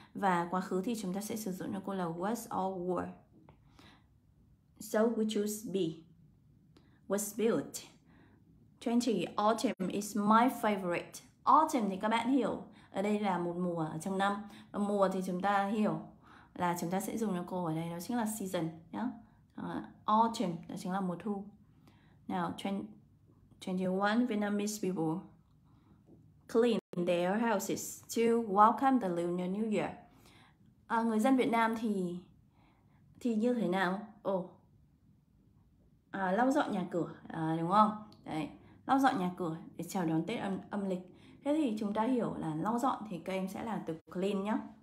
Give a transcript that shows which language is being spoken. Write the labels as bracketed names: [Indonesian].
[Vietnamese] Và quá khứ thì chúng ta sẽ sử dụng cho cô là was or were. [English] So we choose be. Was built. 20, autumn is my favorite. [Vietnamese] Autumn thì các bạn hiểu ở đây là một mùa trong năm. Và mùa thì chúng ta hiểu là chúng ta sẽ dùng cho cô ở đây, đó chính là season nhá. Autumn, đó chính là mùa thu. [English] Now, 21, Vietnamese people clean their houses to welcome the Lunar New Year. [Vietnamese] Người dân Việt Nam thì như thế nào? Lau dọn nhà cửa, đúng không? Đấy, lau dọn nhà cửa để chào đón Tết âm lịch. Thế thì chúng ta hiểu là lau dọn thì các em sẽ là từ clean nhé.